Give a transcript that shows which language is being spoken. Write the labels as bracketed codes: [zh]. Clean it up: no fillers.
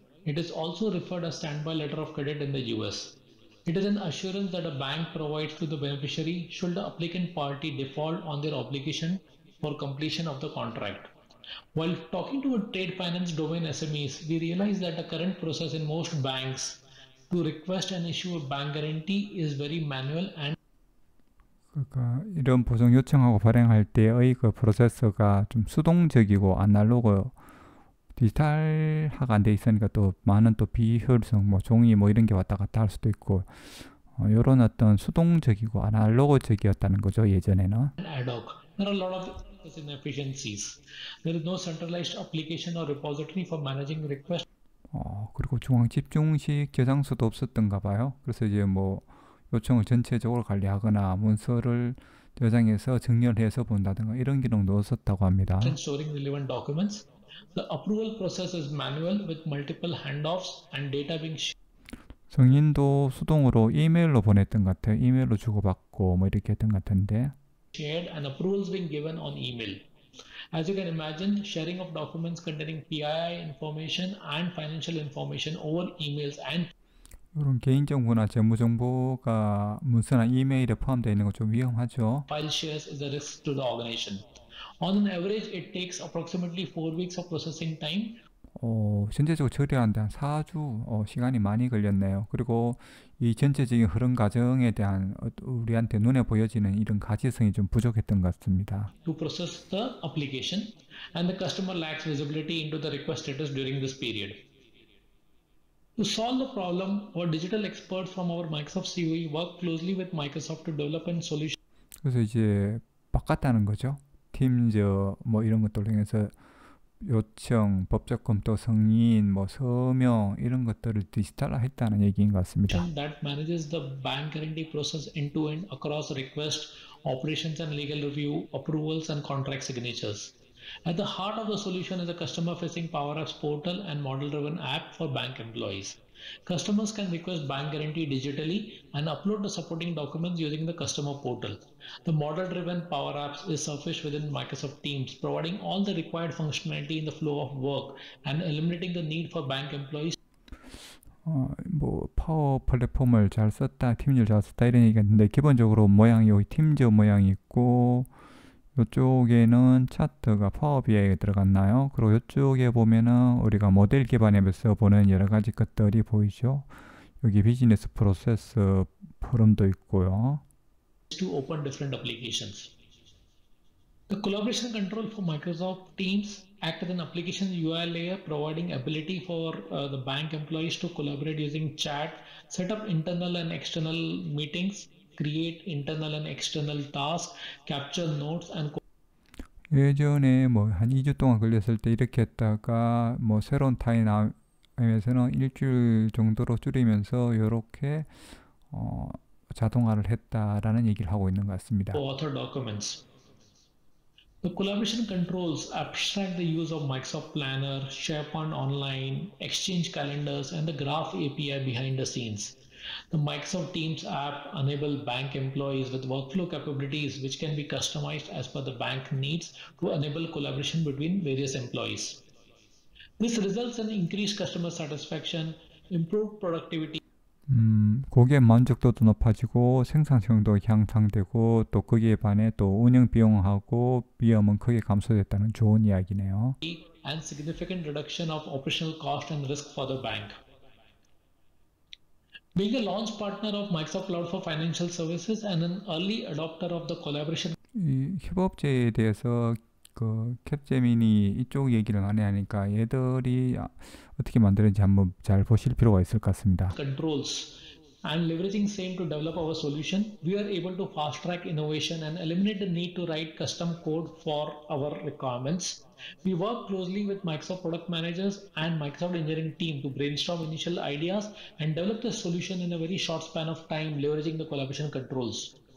[en] It is also referred as standby letter of credit in the US. It is an assurance that a bank provides to the beneficiary should the applicant party default on their obligation for completion of the contract. While talking to a trade finance domain SMEs, we realize that the current process in most banks to request and issue a bank guarantee is very manual and [ko] 그러니까 이런 보증 요청하고 발행할 때의 그 프로세스가 좀 수동적이고 아날로그 디지털화가 안 돼 있으니까 또 많은 또 비효율성 뭐 종이 뭐 이런 게 왔다 갔다 할 수도 있고 이런 어떤 수동적이고 아날로그적이었다는 거죠 예전에는. [en] There are a lot of inefficiencies. There is no centralized application or repository for managing requests. [ko] 그리고 중앙 집중식 계정서도 없었던가 봐요. 그래서 이제 뭐 요청을 전체적으로 관리하거나 문서를 저장해서 정렬해서 본다든가 이런 기능도 없었다고 합니다. [en] Storing relevant documents. The approval process is manual with multiple handoffs and data being shared. [ko] 승인도 수동으로 이메일로 보냈던 것 같아요. 이메일로 주고받고 뭐 이렇게 했던 것 같은데. [en] Shared and approvals being given on email. As you can imagine, sharing of documents containing PII information and financial information over emails and [ko] 이런 개인 정보나 재무 정보가 문서나 이메일에 포함되어 있는 거 좀 위험하죠. [en] File shares is a risk to the organization. On an average, it takes approximately 4 weeks of processing time. [ko] 전체적으로 처리하는데 한 4주 시간이 많이 걸렸네요. 그리고 이 전체적인 흐름 과정에 대한 우리한테 눈에 보여지는 이런 가시성이 좀 부족했던 것 같습니다. [en] To process the application, and the customer lacks visibility into the request status during this period. To solve the problem, our digital experts from our Microsoft COE work closely with Microsoft to develop a solution. [ko] 그래서 이제 바꿨다는 거죠. 팀즈 뭐 이런 것들 통해서 요청, 법적 검토, 승인, 뭐 서명 이런 것들을 디지털화했다는 얘기인 것 같습니다. [en] That manages the bank guarantee process end to end across request, operations and legal review, approvals and contract signatures. At the heart of the solution is a customer-facing Power Apps portal and model-driven app for bank employees. Customers can request bank guarantee digitally and upload the supporting documents using the customer portal. The model-driven Power Apps is surfaced within Microsoft Teams, providing all the required functionality in the flow of work and eliminating the need for bank employees. [ko] 뭐 파워 플랫폼을 잘 썼다, 팀즈를 잘 썼다 이런 얘기가 있는데, 기본적으로 모양이 여기 팀즈 모양이 있고, 이쪽에는 차트가 파워 BI에 들어갔나요? 그리고 이쪽에 보면은 우리가 모델 기반 앱에서 보는 여러 가지 것들이 보이죠? 여기 비즈니스 프로세스 포럼도 있고요. [en] To open different applications. The collaboration control for Microsoft Teams act as an application UI layer providing ability for the bank employees to collaborate using chat, set up internal and external meetings, create internal and external tasks, capture notes and [ko] 예전에 뭐 한 2주 동안 걸렸을 때 이렇게 했다가 뭐 새로운 타임에서는 일주일 정도로 줄이면서 이렇게 자동화를 했다라는 얘기를 하고 있는 것 같습니다. [en] Author documents. The collaboration controls abstract the use of Microsoft Planner, SharePoint Online, Exchange Calendars, and the Graph API behind the scenes. The Microsoft Teams app enables bank employees with workflow capabilities which can be customized as per the bank needs to enable collaboration between various employees. This results in increased customer satisfaction, improved productivity. [ko] 고객 만족도도 높아지고 생산성도 향상되고 또 거기에 반해 또 운영 비용하고 위험은 크게 감소됐다는 좋은 이야기네요. [en] And significant reduction of operational cost and risk for the bank. Being a launch partner of Microsoft Cloud for Financial Services and an early adopter of the collaboration. [ko] 협업제에 대해서 그 캡제미니 이쪽 얘기를 많이 하니까 얘들이 어떻게 만드는지 한번 잘 보실 필요가 있을 것 같습니다. [en] Controls and leveraging same to develop our solution, we are able to fast track innovation and eliminate the need to write custom code for our requirements. We work closely with Microsoft product managers and Microsoft engineering team to brainstorm initial ideas and develop the solution in a very short span of time, leveraging the collaboration controls.